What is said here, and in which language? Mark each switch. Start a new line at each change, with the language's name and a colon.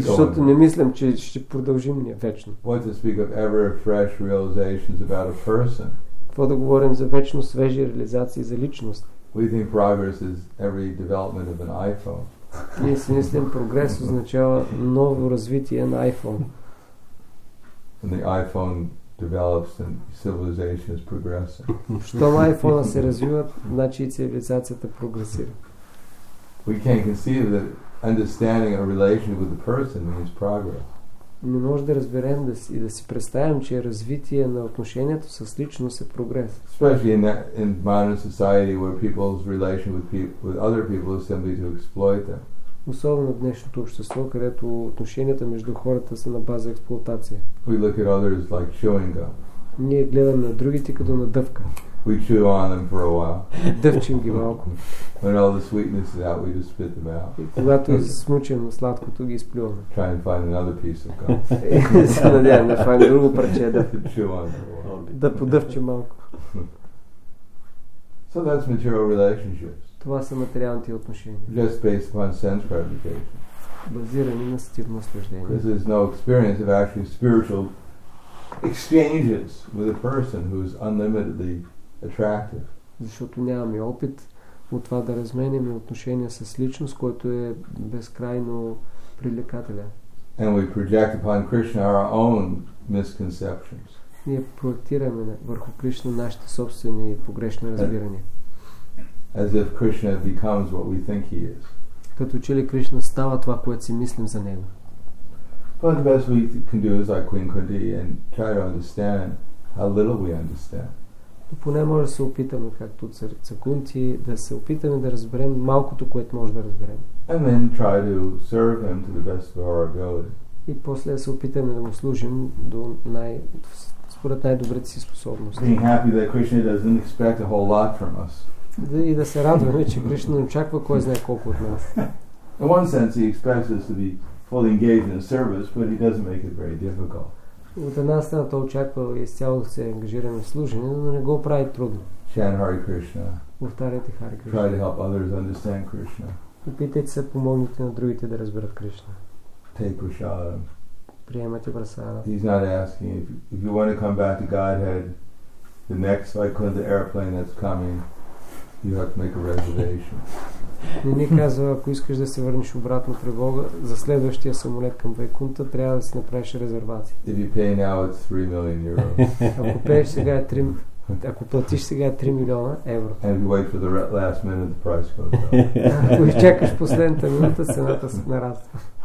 Bulgarian: Защото не мислям, че ще продължим ние вечно.
English: What to speak of ever fresh realizations about a person.
Bulgarian: Какво да говорим за вечно свежи реализации за личност.
English: We think progress is every development of an iPhone.
Bulgarian: Ние си мислим, прогрес означава ново развитие на iPhone.
English: And the iPhone develops and civilization is progressing.
Bulgarian: Щом iPhone-а се развива, значи и цивилизацията прогресира.
English: We can't conceive that understanding a relationship with a person means progress.
Bulgarian: Не може да разберем и да си представим, че развитие на отношението с личност е прогрес.
English: Especially in modern society where people's relation with other people is simply to exploit them.
Bulgarian: Особено в днешното общество, където отношенията между хората са на база експлоатация.
English: We look at others like chewing gum.
Bulgarian: Ние гледаме на другите като на дъвка.
English: We chew on them for a while.
Bulgarian: Дъвчим ги малко.
English: When all the sweetness is out, we just spit them out.
Bulgarian: И когато смучим сладкото, ги изплюваме.
English: Try and find another piece of gum.
Bulgarian: Се надявам да find друго парче да
English: chew on for a
Bulgarian: while. Да подъвчим малко.
English: So that's material relationships.
Bulgarian: Това са материалните отношения.
English: Just based upon sense gratification.
Bulgarian: Базирани на сетивно наслаждение.
English: Because there's no experience of actually spiritual exchanges with a person who is unlimitedly attractive.
Bulgarian: Защото нямаме опит от това да разменяме отношения с личност, който е безкрайно привлекателен.
English: And we project upon Krishna our own misconceptions.
Bulgarian: Ние проектираме върху Кришна нашите собствени погрешни разбирания.
English: As if Krishna becomes what we think he is.
Bulgarian: Като че ли Кришна става това, което си мислим за него.
English: But the best we can do is like Queen Kundi and try to understand how little we understand.
Bulgarian: Но поне може да се опитаме, както царица Кунти, да се опитаме да разберем малкото, което може да разберем.
English: And then try to serve him to the best of our ability.
Bulgarian: И после да се опитаме да му служим до според най-добрите си способности.
English: Being happy that Krishna doesn't expect a whole lot from us.
Bulgarian: И да се радваме, че Кришна не очаква кой знае колко от нас.
English: In one sense, he expects us to be fully engaged in service, but he doesn't make it very difficult.
Bulgarian: От една страна той очаква изцяло да се ангажираме в служене, но не го прави трудно.
English: Chant Hare Krishna.
Bulgarian: Повтаряйте Hare Krishna.
English: Try to help others understand Krishna.
Bulgarian: Опитайте се помогнете на другите да разберат Кришна.
English: Take prasadam.
Bulgarian: Приемайте прасада.
English: He's not asking if you want to come back to Godhead, the next Vaikuntha airplane that's coming, you have to make a reservation.
Bulgarian: Не ни казва, ако искаш да се върнеш обратно при Бога, за следващия самолет към Вайкунта, трябва да си направиш резервация.
English: If you pay now, it's 3 million euros.
Bulgarian: Ако платиш сега 3 милиона евро.
English: And if you wait for the last minute, the price goes up.
Bulgarian: Ако изчакаш последната минута, цената нараства.